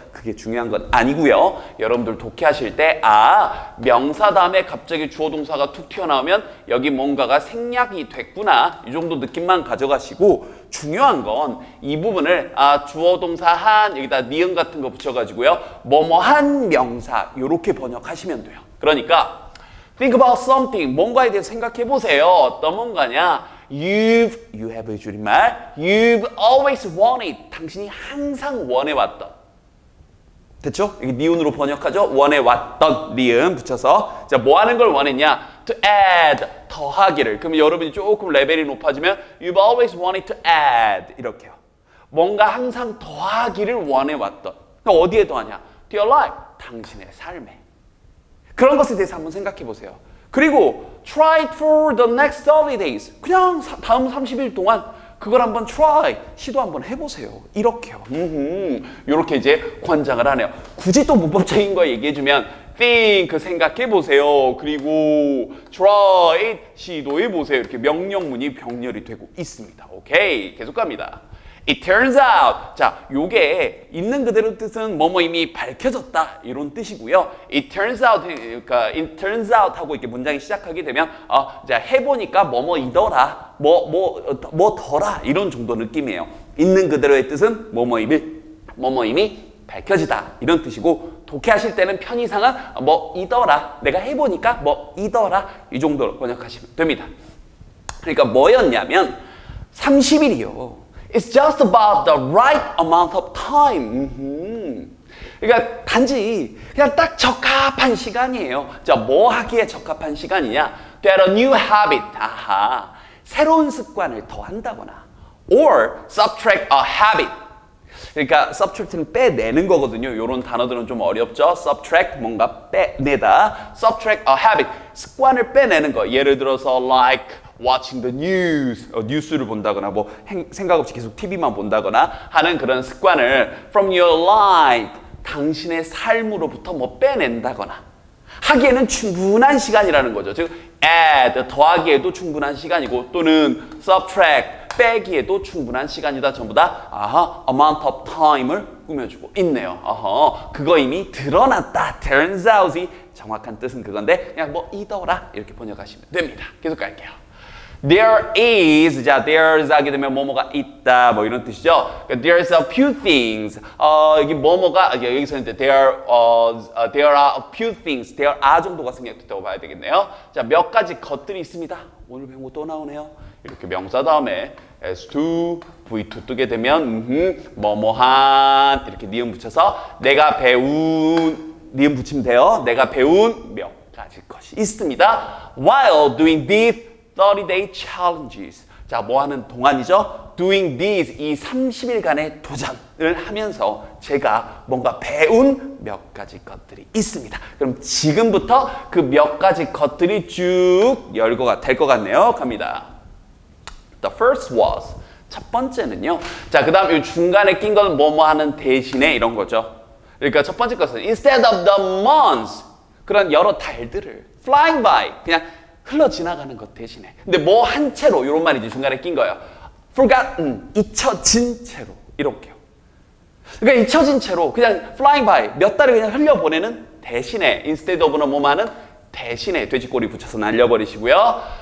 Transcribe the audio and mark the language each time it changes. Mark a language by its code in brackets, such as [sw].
[ko] 그게 중요한 건 아니고요. 여러분들 독해하실 때 아, 명사 다음에 갑자기 주어 동사가 툭 튀어나오면 여기 뭔가가 생략이 됐구나. 이 정도 느낌만 가져가시고 중요한 건 이 부분을 아, 주어 동사 한 여기다 니은 같은 거 붙여가지고요. 뭐뭐 한 명사 이렇게 번역하시면 돼요. 그러니까 [en] Think about something. [ko] 뭔가에 대해서 생각해보세요. 어떤 뭔가냐? [en] You have [ko] 줄임말. [en] You've always wanted. [ko] 당신이 항상 원해왔던. 됐죠? 이게 니은으로 번역하죠? 원해왔던 니은 붙여서. 자, 뭐 하는 걸 원했냐? [en] To add. [ko] 더하기를. 그럼 여러분이 조금 레벨이 높아지면 [en] You've always wanted to add. [ko] 이렇게요. 뭔가 항상 더하기를 원해왔던. 그럼 어디에 더하냐? [en] To your life. [ko] 당신의 삶에. 그런 것에 대해서 한번 생각해 보세요. 그리고 [en] try for the next 30 days. [ko] 그냥 다음 30일 동안 그걸 한번 try, 시도 한번 해보세요. 이렇게요. 이렇게 이제 권장을 하네요. 굳이 또 문법적인 거 얘기해 주면 think, 생각해 보세요. 그리고 try, 시도해 보세요. 이렇게 명령문이 병렬이 되고 있습니다. 오케이, 계속 갑니다. [en] It turns out. [ko] 자, 요게 있는 그대로 뜻은 뭐뭐 이미 밝혀졌다 이런 뜻이고요. [en] It turns out [ko] 그러니까 it turns out 하고 이렇게 문장이 시작하게 되면 자, 해 보니까 뭐뭐이더라. 뭐뭐더라 이런 정도 느낌이에요. 있는 그대로의 뜻은 뭐뭐 이미 밝혀지다 이런 뜻이고 독해하실 때는 편의상은 뭐 이더라 내가 해보니까 뭐 이더라 이 정도로 번역하시면 됩니다. 그러니까 뭐였냐면 30일이요. [en] It's just about the right amount of time. [ko] 그러니까 단지 그냥 딱 적합한 시간이에요. 자, 뭐 하기에 적합한 시간이냐? [en] Get a new habit. [ko] 아하, 새로운 습관을 더한다거나 [en] or subtract a habit. [ko] 그러니까 subtract는 빼내는 거거든요. 이런 단어들은 좀 어렵죠. subtract 뭔가 빼내다. [en] subtract a habit [ko] 습관을 빼내는 거. 예를 들어서 [en] like watching the news [ko] 뉴스를 본다거나 뭐 생각 없이 계속 TV만 본다거나 하는 그런 습관을 [en] from your life [ko] 당신의 삶으로부터 뭐 빼낸다거나 하기에는 충분한 시간이라는 거죠. 즉 add 더하기에도 충분한 시간이고 또는 subtract 빼기에도 충분한 시간이다. 전부 다 amount of time을 꾸며주고 있네요. 그거 이미 드러났다. Turns out이 정확한 뜻은 그건데 그냥 뭐 이더라 이렇게 번역하시면 됩니다. 계속 갈게요. There is, 자, there's 하게 되면 뭐뭐가 있다 뭐 이런 뜻이죠. [en] There's a few things. [ko] 여기 뭐뭐가 여기서 이제 [en] there are a few things. [ko] There are 정도가 생략됐다고 봐야 되겠네요. 자, 몇 가지 것들이 있습니다. 오늘 배운 거 또 나오네요. 이렇게 명사 다음에 S2, V2 뜨게 되면 뭐뭐한 이렇게 니은 붙여서 내가 배운 니은 붙이면 돼요. 내가 배운 몇 가지 것이 있습니다. [en] While doing this 30-day challenges. [ko] 자, 뭐 하는 동안이죠? [en] Doing these, [ko] 이 30일간의 도전을 하면서 제가 뭔가 배운 몇 가지 것들이 있습니다. 그럼 지금부터 그 몇 가지 것들이 쭉 열거가 될 것 같네요. 갑니다. [en] The first was, [ko] 첫 번째는요. 자, 그 다음 이 중간에 낀 건 뭐뭐 하는 대신에 이런 거죠. 그러니까 첫 번째 것은 [en] instead of the months, [ko] 그런 여러 달들을 [en] flying by, [ko] 그냥 흘러 지나가는 것 대신에 근데 뭐 한 채로 이런 말이지 중간에 낀 거예요. Forgotten, 잊혀진 채로 이렇게요. 그러니까 잊혀진 채로 그냥 flying by 몇 달을 그냥 흘려보내는 대신에 instead of는 뭐만은 대신에 돼지꼬리 붙여서 날려버리시고요.